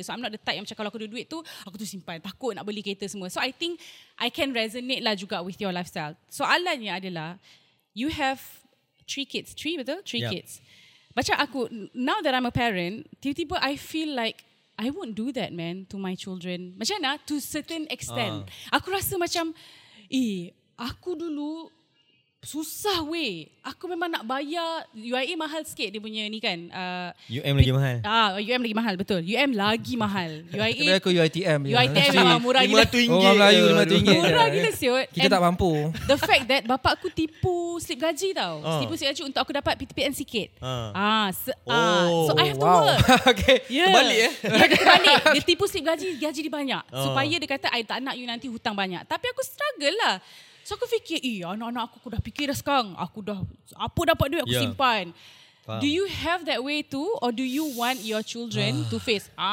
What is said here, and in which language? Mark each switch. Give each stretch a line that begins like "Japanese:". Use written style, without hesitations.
English: So I'm not the type
Malay: yang macam kalau aku ada duit tu, aku tu simpan, takut nak beli kereta semua.
English: So I think I can resonate lah juga with your lifestyle.
Malay: Soalannya adalah,
English: you have 3 kids, 3 betul? 3 yep. kids.
Malay: Macam aku,
English: now that I'm a parent,
Malay: tiba-tiba
English: I feel like I won't do that, man, to my children.
Malay: Macam mana?
English: To certain extent.
Malay: Aku rasa macam, aku dulu susah weh. Aku memang nak bayar, UIA mahal sikit dia punya ni kan. UM lagi mahal. UM lagi mahal, betul. UM lagi mahal. UIA. Aku UITM. UITM memang murah gila. RM500. Orang Melayu RM500. Murah gila siut. Kita tak mampu.
English: The fact that
Malay: bapak aku tipu slip gaji tau. Tipu slip gaji untuk aku dapat PTPN sikit.
English: So I have to work.
Malay: Okay. Kembali eh. Ya, kebalik. Dia tipu slip gaji, gaji dia banyak. Supaya dia kata,
English: I tak nak you
Malay: nanti hutang banyak. Tapi aku struggle lah. So aku fikir, anak-anak aku dah fikir dah sekarang. Aku dah, apa dapat duit aku simpan. Faham.
English: Do you have that way too? Or do you want your children to face?